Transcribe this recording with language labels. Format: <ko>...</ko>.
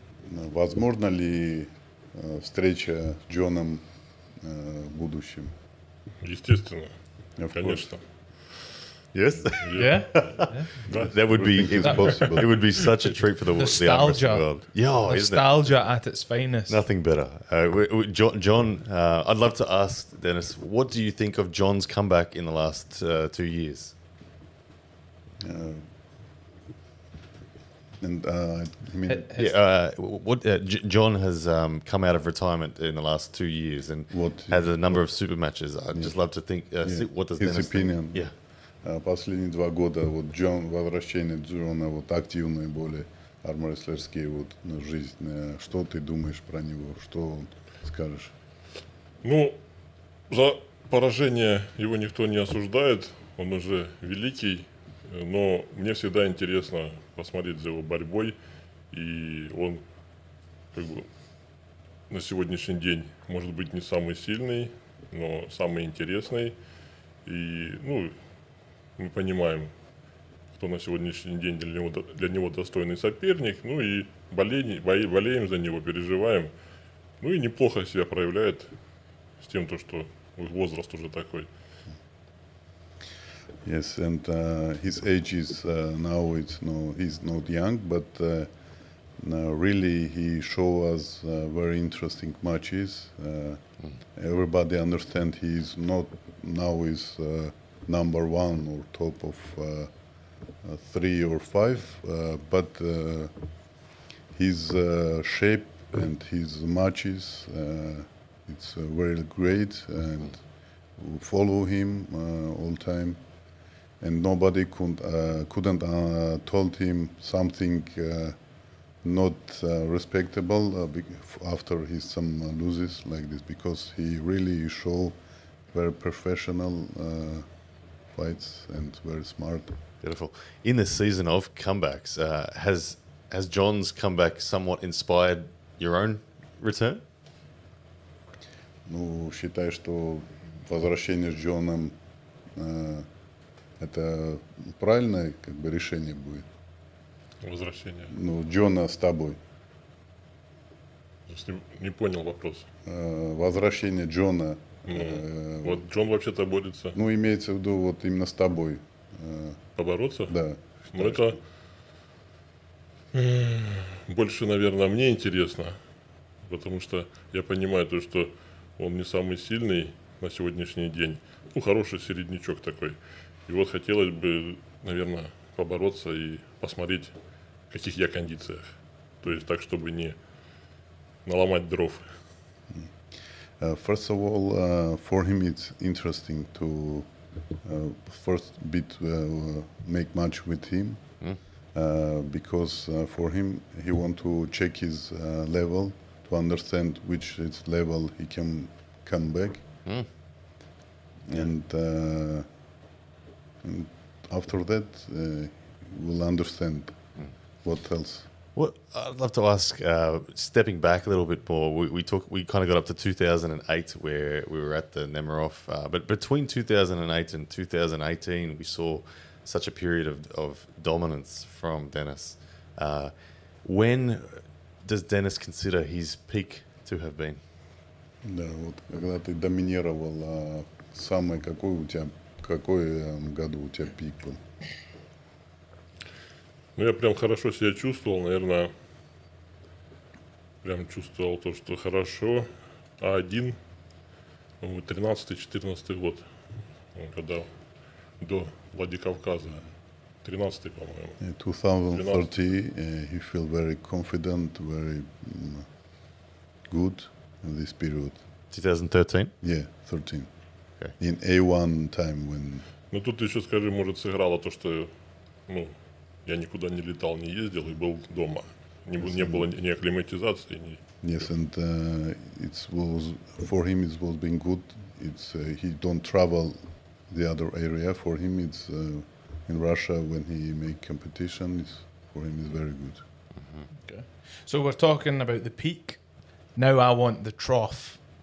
<ru>Возможно ли встреча с Джоном в будущем? Естественно. Конечно.</ru> <en>Yes. Yeah. That would be impossible. It would be such a treat for the nostalgia world. Yeah, nostalgia at its finest. Nothing better. John, I'd love to ask Denis, what do you think of John's comeback in the last 2 years? John has come out of retirement in the last 2 years and has a number of super matches. I'd just love to think. What does his Denis opinion? Think? Yeah.</en> <ru>Последние два года вот Джон возвращение Джона вот активные боли армрестлерские вот жизнь что ты думаешь про него что скажешь ну за поражение его никто не осуждает он уже великий но мне всегда интересно посмотреть за его борьбой и он как бы на сегодняшний день может быть не самый сильный но самый интересный и ну мы понимаем, кто на сегодняшний день для него достойный соперник, ну и болеем за него, переживаем. Ну и неплохо себя проявляет с тем, что возраст уже такой.</ru> <en>Yes, and his age is now it's no he's not young, but really he show us very interesting matches. Everybody understand he's not now is number one or top of three or five, but his shape and his matches, it's very great and we follow him all time. And nobody couldn't told him something not respectable after his some loses like this, because he really show very professional fights and very smart. Beautiful. In the season of comebacks, has John's comeback somewhat inspired your own return?</en> <ru>Ну, считаю, что возвращение с Джоном это правильное как бы решение будет. Возвращение. Ну, Джона с тобой. Не понял вопрос. Возвращение Джона. Ну, вот Джон вообще-то борется. Ну, имеется в виду вот именно с тобой. Побороться? Да. Ну, это больше, наверное, мне интересно. Потому что я понимаю то, что он не самый сильный на сегодняшний день. Ну, хороший середнячок такой. И вот хотелось бы, наверное, побороться и посмотреть, в каких я кондициях. То есть так, чтобы не наломать дров.</ru> <en>First of all, for him it's interesting to first beat, make match with him because for him he want to check his level to understand which its level he can come back. Mm. And after that, we'll understand what else. I'd love to ask, stepping back a little bit more, we kind of got up to 2008 where we were at the Nemirov, but between 2008 and 2018, we saw such a period of dominance from Denis. When does Denis consider his peak to have been?</en> <ru>Да, вот когда ты доминировал, самый какой у тебя, какой году у тебя пик был? Ну, я прям хорошо себя чувствовал, наверное, прям чувствовал то, что хорошо. А один, 13-14 год, когда до Владикавказа, 13-й, по-моему.</ru> <en>In 2013, he felt very confident, very good in this period. 2013? Yeah, 13. Okay. In A1 time when...</en> <ru>Ну, тут еще, скажи, может, сыграло то, что, ну... Я никуда не летал, не ездил и был дома. Не, yes, не было ни акклиматизации, ни...</ru> <en>Yes, and it was, for him it was being good. It's, he don't travel the other area. For him it's in Russia when he make competition, it's, for him it's very good. Mm-hmm. Okay. So we're talking about the peak. Now I want the trough.</en>